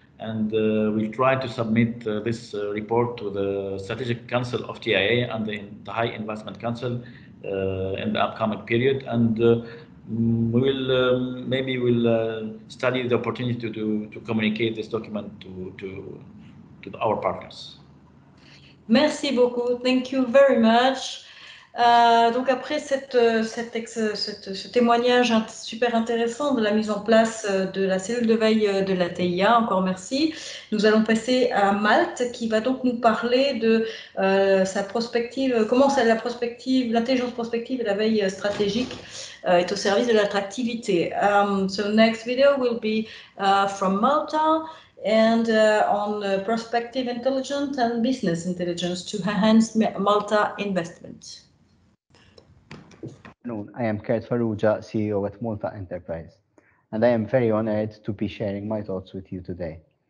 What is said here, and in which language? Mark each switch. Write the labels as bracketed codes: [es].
[en] And we'll try to submit this report to the Strategic Council of TIA and the High Investment Council in the upcoming period. And we'll study the opportunity to communicate this document to our partners. [fr] Merci beaucoup. [en] Thank you very much. [fr] Donc après ce témoignage super intéressant de la mise en place de la cellule de veille de la TIA, encore merci, nous allons passer à Malte qui va donc nous parler de sa prospective, comment ça, la prospective, l'intelligence prospective et la veille stratégique est au service de l'attractivité. [en] So next video will be from Malta and on prospective intelligence and business intelligence to enhance Malta investment. Hello, I am Kurt Farrugia, CEO at Malta Enterprise, and I am very honored to be sharing my thoughts with you today.